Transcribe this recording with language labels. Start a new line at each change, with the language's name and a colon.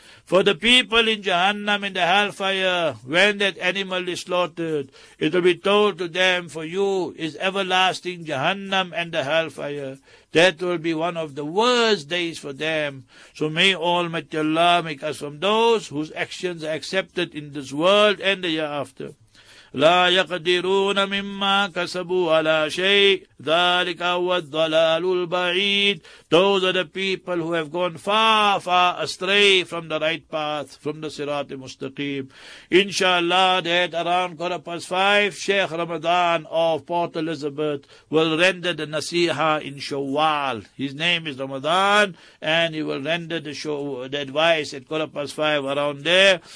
English: For the people in Jahannam, in the hellfire, when that animal is slaughtered, it will be told to them, for you is everlasting Jahannam and the hellfire. That will be one of the worst days for them. So may Almighty Allah make us from those whose actions are accepted in this world and the year after.
Arabic: لا يقدرون مما كسبوا على شيء ذلك هو الضلال البعيد.
English: Those are the people who have gone far, far astray from the right path, from the Sirat al-Mustaqim. Inshallah, that around quarter past five, Sheikh Ramadan of Port Elizabeth will render the Nasiha in Shawwal. His name is Ramadan, and he will render the advice at quarter past five around there.